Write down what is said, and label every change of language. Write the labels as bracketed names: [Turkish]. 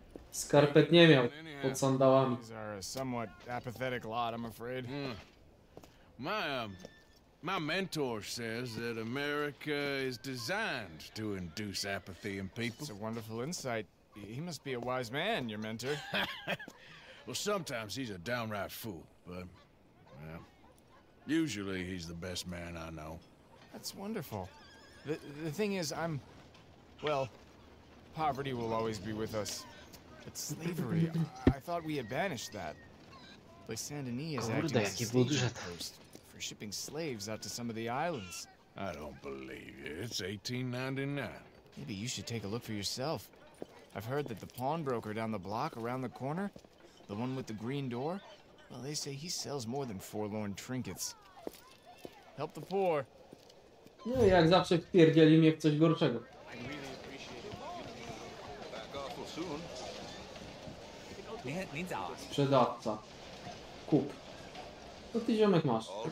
[Polish] Skarpet nie miał pod sandałami. [English] These are a somewhat apathetic lot, I'm afraid. My mentor says that America is designed to induce apathy in people. It's a wonderful insight. He must be a wise man, your mentor. Well, sometimes he's a downright fool, but, well, usually he's the best man I know. That's wonderful. The thing is, I'm... Well, poverty will always be with us. But slavery, I thought we had banished that. But Saint-Denis is acting as a station post. Shipping slaves out to some of the islands. I don't believe you. It's 1899. Maybe you should take a look for yourself. I've heard that the pawnbroker down the block around the corner, the one with the green door, well, they say he sells more than forlorn trinkets. Help the poor. [Polish] No, jak zawsze wpierdzieli mnie w coś gorszego. Sprzedawca. Kup. Co ty ziomek masz?